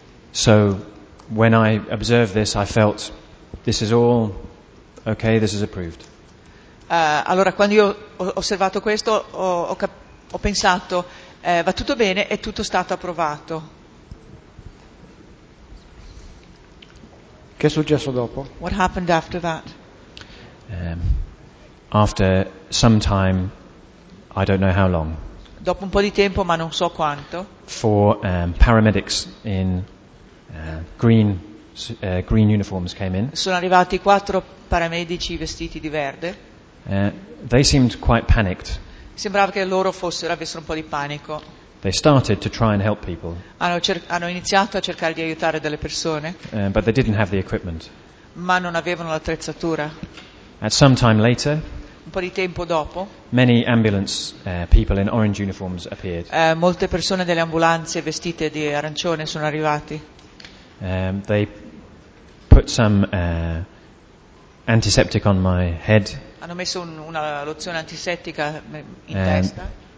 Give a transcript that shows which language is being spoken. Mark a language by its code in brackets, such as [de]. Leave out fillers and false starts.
[en] So, when I observed this, I felt, this is all okay. This is approved. [it] Allora, quando io ho osservato questo, ho pensato, va tutto bene, è tutto stato approvato. Che è successo dopo? [en] What happened after that? After some time, I don't know how long. [it] Dopo un po' di tempo, ma non so quanto. [en] Four paramedics in green uniforms came in. [it] Sono arrivati quattro paramedici vestiti di verde. [en] They seemed quite panicked. [it] Sembrava che loro avessero un po' di panico. [en] They started to try and help people. [it] Hanno iniziato a cercare di aiutare delle persone. [en] But they didn't have the equipment. [it] Ma non avevano l'attrezzatura. [en] At some time later, [it] un po' di tempo dopo, [en] many ambulance people in orange uniforms appeared. [it] Molte persone delle ambulanze vestite di arancione sono arrivati. [en] They put some antiseptic on my head. [it] Hanno messo una lozione antisettica in testa.